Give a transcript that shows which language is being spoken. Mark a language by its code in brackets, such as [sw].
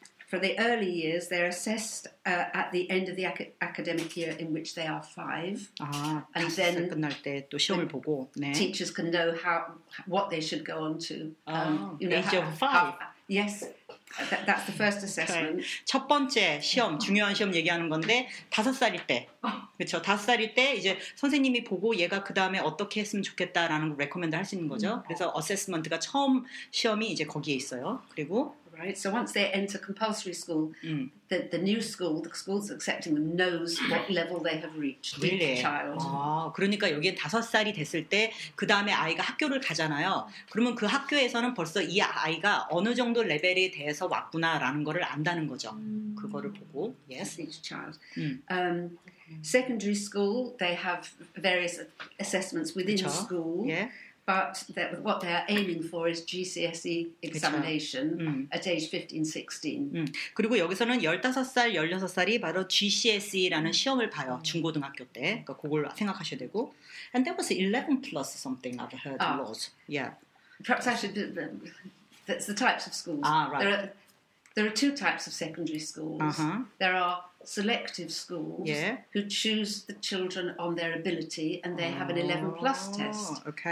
[en] For the early years, they're assessed at the end of the academic year in which they are five. [ko] 아, [en] and then [ko] 끝날 때 또 시험을 보고, 네. [en] Teachers can know what they should go on to. Age of five. Yes, that's the first assessment. Okay. [ko] 첫 번째 시험, 중요한 시험 얘기하는 건데 다섯 살일 때, 그렇죠? 다섯 살일 때 이제 선생님이 보고 얘가 그 다음에 어떻게 했으면 좋겠다라는 걸 recommend 할 수 있는 거죠. 그래서 assessment가 처음 시험이 이제 거기에 있어요. 그리고 [en] Right. So once they enter compulsory school, the new school, the school's accepting them, knows what level they have reached. Really? Each child. [ko] 아, 그러니까 여기에 다섯 살이 됐을 때 그 다음에 아이가 학교를 가잖아요. 그러면 그 학교에서는 벌써 이 아이가 어느 정도 레벨에 대해서 왔구나라는 것을 안다는 거죠. 그거를 보고. Yes. [en] Each child. Secondary school, they have various assessments within [ko] 그쵸? [en] the school. Yeah. But what they are aiming for is GCSE examination at age 15, 16. [ko] 그리고 여기서는 15살, 16살이 바로 GCSE라는 시험을 봐요. 중고등학교 때. 그러니까 그걸 생각하셔야 되고. [en] And that was 11 plus something I've heard a lot. Yeah. Perhaps I should... That's the types of schools. Ah, right. There are two types of secondary schools. Uh-huh. There are selective schools who choose the children on their ability, and they have an 11 plus test